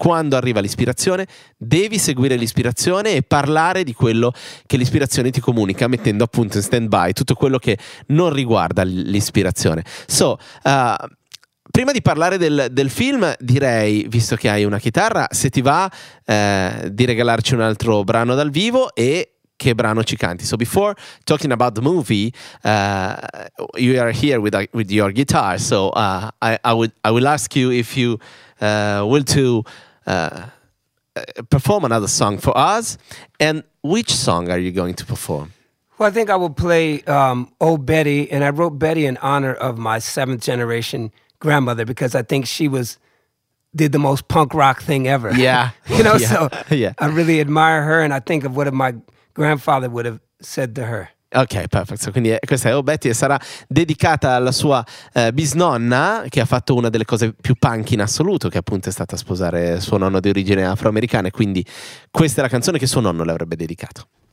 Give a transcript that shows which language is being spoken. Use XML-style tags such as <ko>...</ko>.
<it>Quando arriva l'ispirazione, devi seguire l'ispirazione e parlare di quello che l'ispirazione ti comunica, mettendo appunto in stand-by tutto quello che non riguarda l'ispirazione. So, prima di parlare del film, direi, visto che hai una chitarra, se ti va di regalarci un altro brano dal vivo e che brano ci canti.</it> <en>So before talking about the movie, you are here with your guitar. So I will ask you if you will to perform another song for us. And which song are you going to perform? Well, I think I will play "Old Betty," and I wrote "Betty" in honor of my seventh generation grandmother because I think she did the most punk rock thing ever. Yeah, you know. Yeah. So yeah, I really admire her, and I think of what of my grandfather would have said to her.</en> <it>Ok, perfetto. So, quindi questa è "Oh Betty" e sarà dedicata alla sua bisnonna, che ha fatto una delle cose più punk in assoluto, che appunto è stata sposare suo nonno di origine afroamericana, e quindi questa è la canzone che suo nonno le avrebbe dedicato.</it>